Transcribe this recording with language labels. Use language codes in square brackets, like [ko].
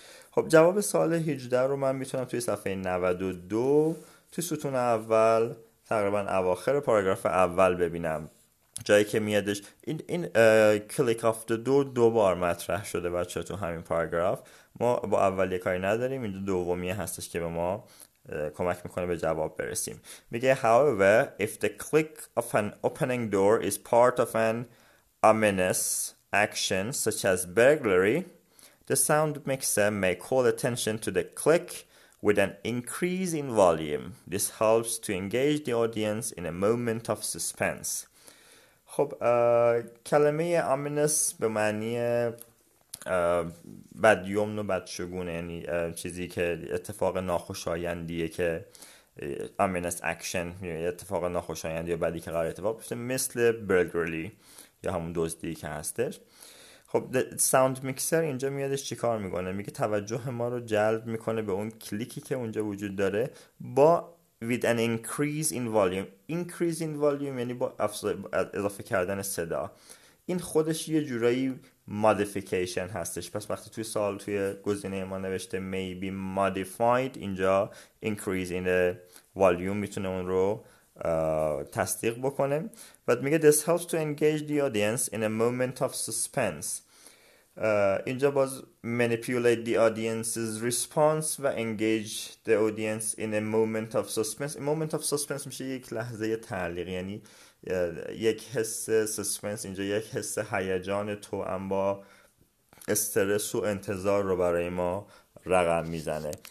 [fa] خب جواب سوال 18 رو من میتونم توی صفحه 92 توی ستون اول تقریبا اواخر پاراگراف اول ببینم، جایی که میادش این کلیک آف دو دور دوبار مطرح شده بچه تو همین پاراگراف. ما با اولی کاری نداریم، این دومیه هستش که به ما کمک میکنه به جواب برسیم. [en] میگه however if the click of an opening door is part of an ominous action such as burglary, the sound mixer may call attention to the click with an increase in volume. This helps to engage the audience in a moment of suspense. [fa] خب کلمه ominous به معنی بد یمن و بد شگونه، یعنی چیزی که اتفاق ناخوشایندیه، که ominous action اتفاق ناخوشایندی یا بدی که قرار اتفاق بیفته، مثل burglary یا همون دزدی که هستش. خب ساوند میکسر اینجا میادش چیکار میکنه؟ میگه توجه ما رو جلب میکنه به اون کلیکی که اونجا وجود داره با with an increase in volume. increase in volume یعنی با اضافه کردن صدا. این خودش یه جورایی modification هستش. پس وقتی توی سوال توی گزینه ما نوشته may be modified، اینجا increase in the volume میتونه اون رو تصدیق بکنه. [en] but میگه this helps to engage the audience in a moment of suspense. [fa] اینجا باز manipulate the audience's response و engage the audience in a moment of suspense. a moment of suspense میشه یک لحظه تعلیق، یعنی یک حس suspense، اینجا یک حس هیجان توأم با استرس و انتظار رو برای ما رقم میزنه.